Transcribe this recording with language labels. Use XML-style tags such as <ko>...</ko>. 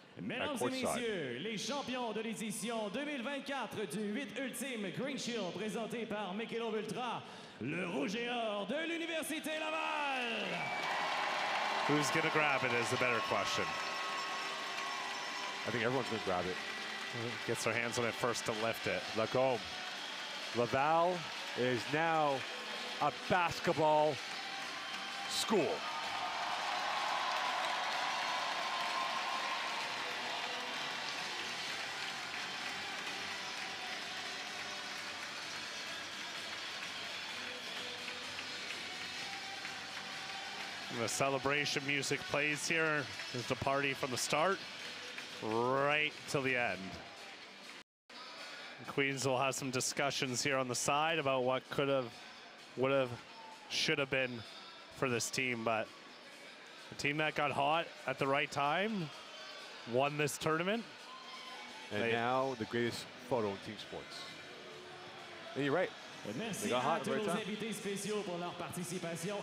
<fr>Mesdames et messieurs, les champions de l'édition 2024 du 8 Ultime Green Shield présenté par Michelob Ultra, le Rouge et Or de l'Université Laval.</fr> <en>Who's going to grab it is the better question. I think everyone's going to grab it. Gets their hands on it first to lift it. Lacombe. Laval is now a basketball school. The celebration music plays here as the party from the start right till the end. Queens will have some discussions here on the side about what could have, would have, should have been for this team. But the team that got hot at the right time won this tournament. And they, now the greatest photo in team sports. And you're right.</en> <fr>Merci à tous nos invités spéciaux pour leur participation.</fr>